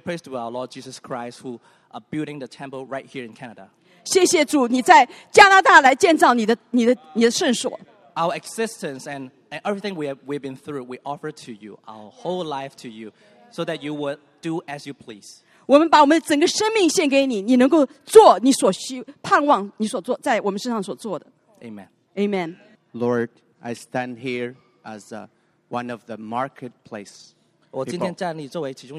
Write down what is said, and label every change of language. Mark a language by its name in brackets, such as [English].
[English] praise to our Lord Jesus Christ, who are building the temple right here in Canada. [Chinese] 谢谢主，你在加拿大来建造你的圣所。 [English] Our existence and everything we've been through, we offer to you, our whole life to you, so that you would do as you please. [Chinese] 我们把我们整个生命献给你，你能够做你所需、盼望你所做在我们身上所做的。 [English] Amen. Amen. Lord, I stand here as one of the marketplace people.